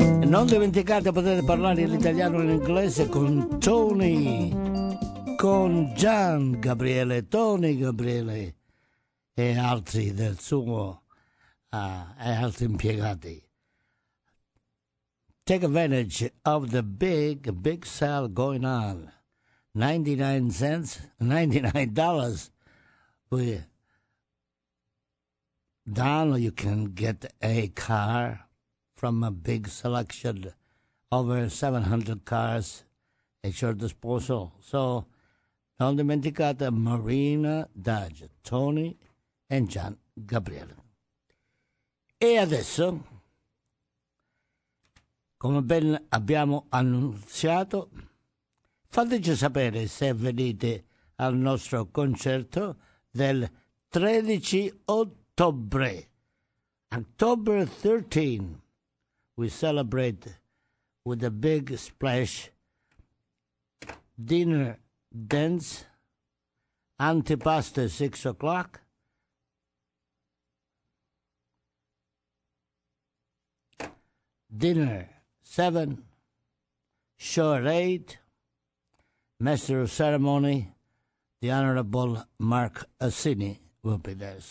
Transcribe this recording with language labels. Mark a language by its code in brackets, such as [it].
[it] Non dimenticate, potete parlare l'italiano e l'inglese con Tony, con Gian Gabriele, Tony Gabriele e altri del suo e altri impiegati. [en] Take advantage of the big sale going on. $99 down, you can get a car from a big selection, over 700 cars at your disposal. So don't [it] dimenticate [en] Marina Dodge, Tony and Gian Gabriele. [it] E adesso, come ben abbiamo annunciato, fateci sapere se venite al nostro concerto del 13 ottobre. [en] October 13, we celebrate with a big splash, dinner, dance, antipasto 6 o'clock, dinner 7, short 8, Master of Ceremony, the Honorable Mark Assini will be there.